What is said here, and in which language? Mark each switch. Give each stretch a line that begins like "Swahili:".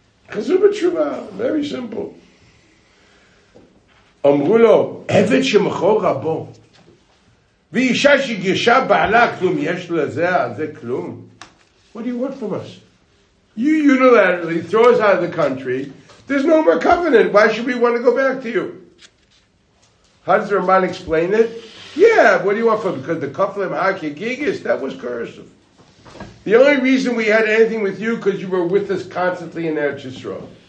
Hebrew: Chazru B'tshuva,
English: very simple.
Hebrew: אמרו לו, עבד שמכור רבו, ואישה שגרשה בעלה, כלום יש לזה, על זה כלום?
English: What do you want from us? You unilaterally throw us out of the country. There's no more covenant. Why should we want to go back to you? How does the Ramban explain it? Yeah, what do you want from us? Because the Kaflim HaKigigis, that was coercive. The only reason we had anything with you because you were with us constantly in Eretz Yisrael.